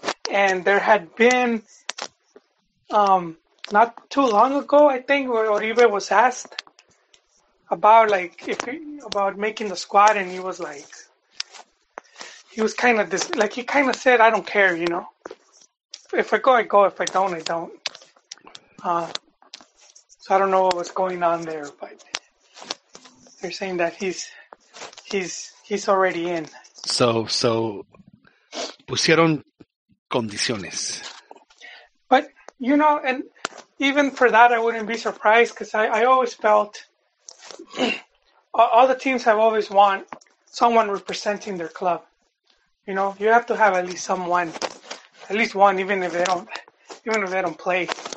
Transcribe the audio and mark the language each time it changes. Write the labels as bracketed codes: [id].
[en] And there had been, not too long ago, I think, where Oribe was asked about, like, about making the squad, and he kind of said, I don't care, you know. If I go, I go. If I don't, I don't. So I don't know what was going on there, but they're saying that he's already in. [es] So pusieron condiciones. [en] But, you know, and even for that, I wouldn't be surprised, because I always felt all the teams have always want someone representing their club. You know, you have to have at least one, even if they don't play.